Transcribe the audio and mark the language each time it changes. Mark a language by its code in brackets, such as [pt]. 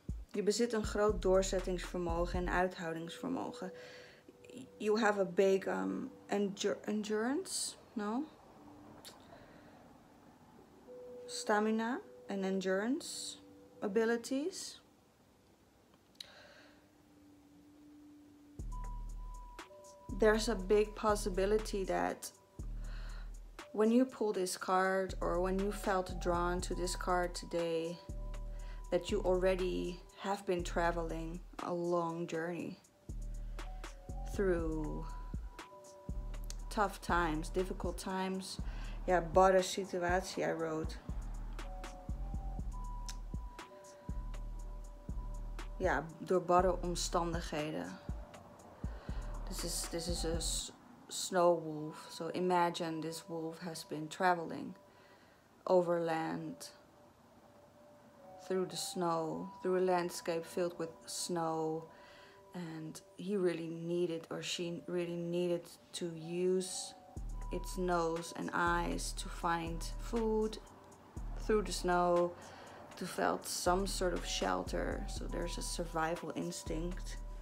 [nl] Je bezit een groot doorzettingsvermogen en uithoudingsvermogen. [en] You have a big endurance, no? Stamina and endurance abilities. There's a big possibility that when you pull this card, or when you felt drawn to this card today, that you already have been traveling a long journey through tough times, difficult times. Yeah, [nl] bare situatie, [en] I wrote. [nl] Yeah, door bare omstandigheden. [en] This is a snow wolf. So imagine this wolf has been traveling overland through the snow, through a landscape filled with snow, and he really needed, or she really needed, to use its nose and eyes to find food through the snow, to felt some sort of shelter. So there's a survival instinct.